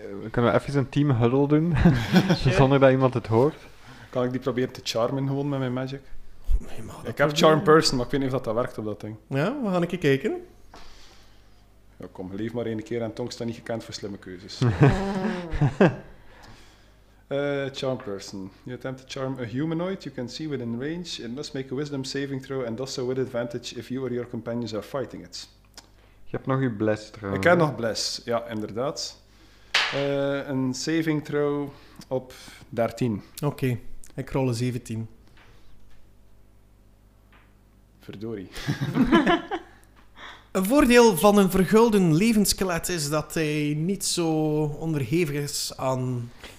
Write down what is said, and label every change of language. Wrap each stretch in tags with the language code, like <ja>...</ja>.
<nl>kunnen we even een team huddle doen, zonder dat iemand het hoort? Kan ik die proberen te charmen gewoon met mijn magic? Nee, maar ik heb charm person, maar ik weet niet of dat werkt op dat ding. Ja, we gaan een keer kijken. Ja, kom, leef maar één keer en Tong staat niet gekend voor slimme keuzes. charm person.</nl> <en>You attempt to charm a humanoid you can see within range and must make a wisdom saving throw and does so with advantage if you or your companions are fighting it.</en> <nl>Je hebt nog je bless trouwens. Ik heb nog bless, ja, inderdaad. Een saving throw op 13. Oké, okay. Ik rol een 17. Verdorie. Een voordeel van een vergulden levensskelet is dat hij niet zo onderhevig is aan...</nl>